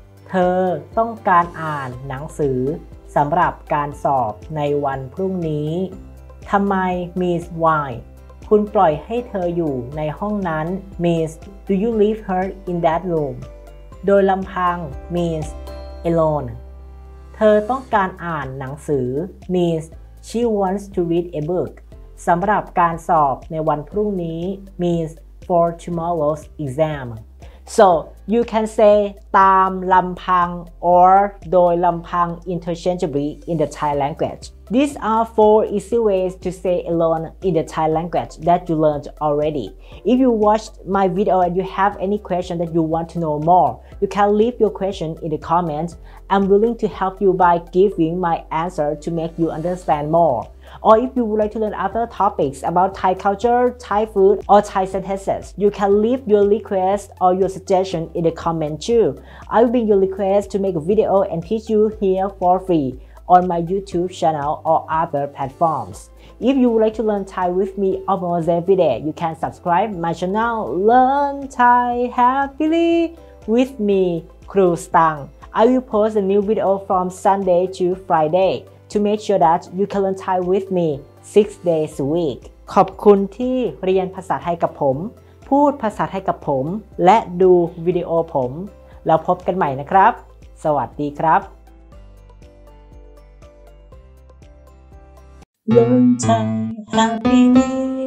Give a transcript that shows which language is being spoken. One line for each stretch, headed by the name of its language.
Thai: เธอต้องการอ่านหนังสือสำหรับการสอบในวันพรุ่งนี้ทำไม Miss
English: Why
Thai: คุณปล่อยให้เธออยู่ในห้องนั้น Miss
English: Do you leave her in that room
Thai: โดยลำพัง Miss
English: Alone
Thai: เธอต้องการอ่านหนังสือ Miss
English: She wants to read a book
Thai: สำหรับการสอบในวันพรุ่งนี้
English: MeansFor tomorrow's exam. So you can say
Thai: ตามลำพัง
English: or
Thai: โดยลำพัง
English: interchangeably in the Thai language. These are four easy ways to say alone in the Thai language that you learned already. If you watched my video and you have any question that you want to know more, you can leave your question in the comments. I'm willing to help you by giving my answer to make you understand more. Or if you would like to learn other topics about Thai culture, Thai food, or Thai sentences, you can leave your request or your suggestion in the comment too. I will bring your request to make a video and teach you here for free on my YouTube channel or other platforms. If you would like to learn Thai with me almost every day, you can subscribe my channel Learn Thai Happily with me, Kru Stang. I will post a new video from Sunday to Friday. To make sure that you can learn Thai with me 6 days a week.
Thai: ขอบคุณที่เรียนภาษาไทยกับผมพูดภาษาไทยกับผมและดูวิดีโอผมแล้วพบกันใหม่นะครับสวัสดีครับ
English: Learn Thai Happy New